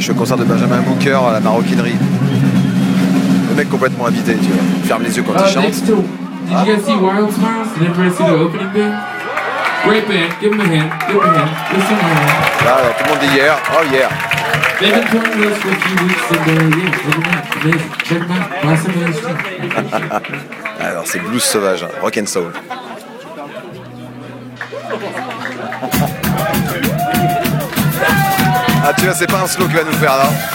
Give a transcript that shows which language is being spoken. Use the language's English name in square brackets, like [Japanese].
[French] De Benjamin Booker à la maroquinerie. Le mec complètement habité, tu vois. Ferme les yeux quand il chante. [English] Next to, did you guys see Wildflowers? Did everybody see the opening band? Great band, give them a hand, give them a hand. Listen to my hand. [French] Ah, tout le monde dit [English] yeah, oh yeah. They've been playing with us for a few weeks and yeah, amazing. Check them out, buy some of those. [French] Alors c'est blues sauvage, hein. [English] Rock and soul. [French] Ah tu vois, c'est pas un slow qui va nous faire là.